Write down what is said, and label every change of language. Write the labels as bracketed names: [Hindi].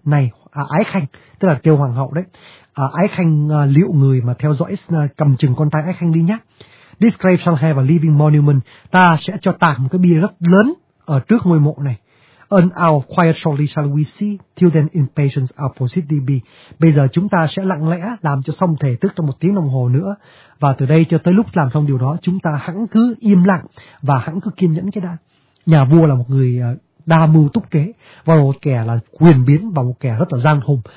[Vietnamese] Này, ái khanh, tức là kêu hoàng hậu đấy. Ái khanh liệu người mà theo dõi cầm chừng con trai ái khanh đi nhé. [English] This grave shall have a living monument. [Vietnamese] Ta sẽ cho tạc một cái bia rất lớn ở trước ngôi mộ này. [English] And our quiet shortly shall we see. Till then in patience our proceed be. [Vietnamese] Bây giờ chúng ta sẽ lặng lẽ làm cho xong thể tức trong một tiếng đồng hồ nữa. Và từ đây cho tới lúc làm xong điều đó, chúng ta hẵng cứ im lặng và hẵng cứ kiên nhẫn cho đã. Nhà vua là một người đa mưu túc kế, và một kẻ là quyền biến và một kẻ rất là gian hùng.